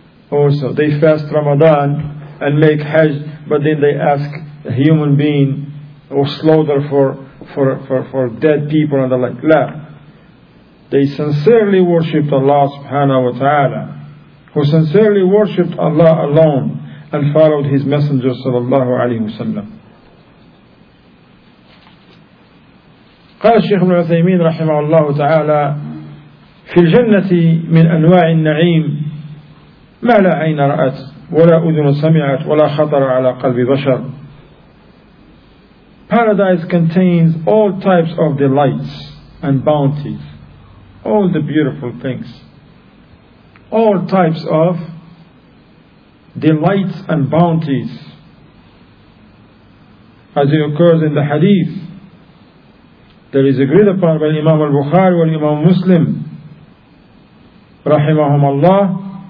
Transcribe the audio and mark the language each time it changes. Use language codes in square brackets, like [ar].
[en] Also, they fast Ramadan and make Hajj, but then they ask a human being or slaughter for dead people and the like. La. They sincerely worship Allah subhanahu wa ta'ala, who sincerely worshipped Allah alone and followed His Messenger sallallahu alaihi wasallam. [ar] قال الشيخ ابن عثيمين رحمه الله تعالى في الجنة من أنواع النعيم ما لا عين رأت ولا أذن سمعت ولا خطر على قلب بشر. [en] Paradise contains all types of delights and bounties, all the beautiful things, all types of delights and bounties, as it occurs in the hadith that is agreed upon by Imam al-Bukhari and Imam Muslim rahimahum Allah.